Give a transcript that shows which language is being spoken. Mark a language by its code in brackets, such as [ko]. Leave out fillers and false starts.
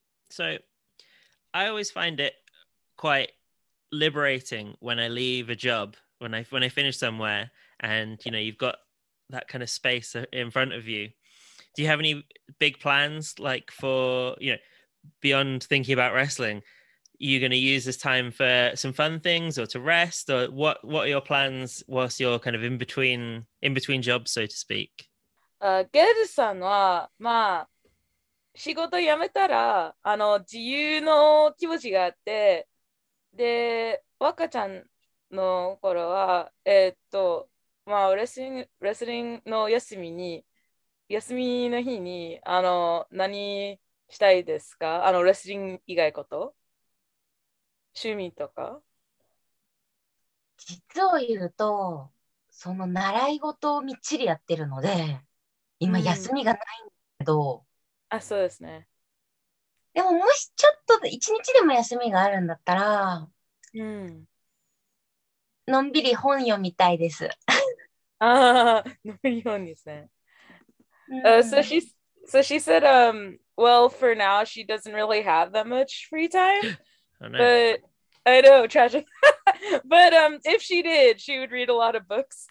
[en] So I always find it quite liberating when I leave a job, when I finish somewhere, and you know, you've got that kind of space in front of you. Do you have any big plans, like, for, you know, beyond thinking about wrestling? You're going to use this time for some fun things or to rest, or what are your plans whilst you're kind of in between jobs, so to speak? [ja] Gerdさん は、まあ、仕事辞めたら、あの、自由の気持ちがあって、で、若ちゃんの頃は、まあ、レスリングの休みの日に、あの、何したいですか？あの、レスリング以外こと？趣味とか？実を言うと、その習い事をみっちりやってるので、今休みがないんだけど。あ、そうですね。でも、もしちょっと、一日でも休みがあるんだったら、のんびり本読みたいです。 [en] So she said, well, for now, she doesn't really have that much free time. I know, tragic. But if she did, she would read a lot of books.